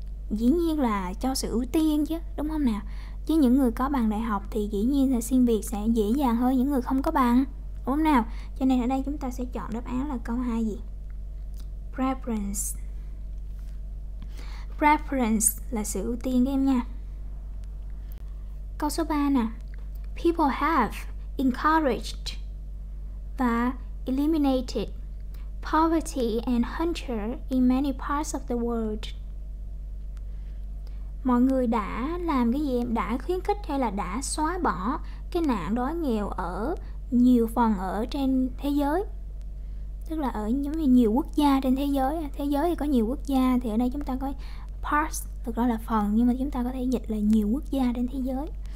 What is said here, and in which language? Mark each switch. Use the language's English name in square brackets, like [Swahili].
[Vietnamese] Dĩ nhiên là cho sự ưu tiên chứ, đúng không nào? Chứ những người có bằng đại học thì dĩ nhiên là xin việc sẽ dễ dàng hơn những người không có bằng, đúng không nào? Cho nên ở đây chúng ta sẽ chọn đáp án là câu 2 gì? Preference là sự ưu tiên các em nha. Câu số 3 nè. [English] People have encouraged [Vietnamese] và [English] eliminated poverty and hunger in many parts of the world. [Vietnamese] Mọi người đã làm cái gì em? Đã khuyến khích hay là đã xóa bỏ cái nạn đói nghèo ở nhiều phần ở trên thế giới? Tức là ở giống như nhiều quốc gia trên thế giới. Thế giới thì có nhiều quốc gia. Thì ở đây chúng ta có parts, thực ra là phần, nhưng mà chúng ta có thể dịch là nhiều quốc gia trên thế giới.